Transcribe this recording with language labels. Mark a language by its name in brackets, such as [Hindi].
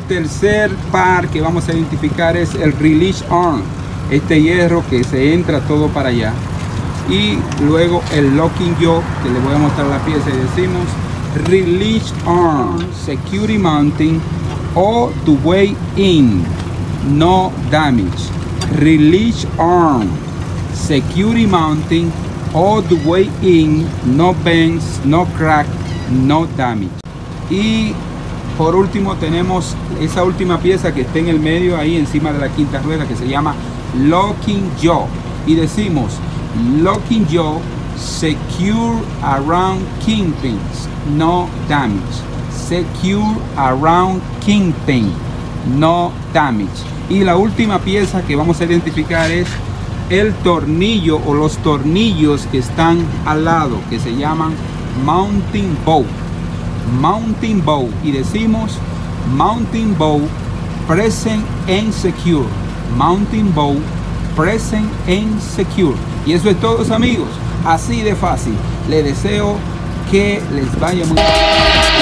[Spanish] Tercer par que vamos a identificar es el [English] release arm, este hierro que se entra todo para allá, y luego el locking jaw, que le voy a mostrar la pieza, y decimos release arm, security mounting all the way in, no damage. Release arm, security mounting all the way in, no bends, no crack, no damage. [Spanish] Y por último tenemos esa última pieza que está en el medio ahí encima de la quinta rueda, que se llama [English] locking jaw, y decimos locking jaw, secure around kingpins, no damage. Secure around kingpin, no damage. [Spanish] Y la última pieza que vamos a identificar es el tornillo o los tornillos que están al lado, que se llaman mounting bolt. [English] Mounting bolt, [Spanish] y decimos [English] mounting bolt present and secure. Mounting bolt present and secure. [Spanish] Y eso es todo, amigos. Así de fácil. Les deseo que les vaya muy bien.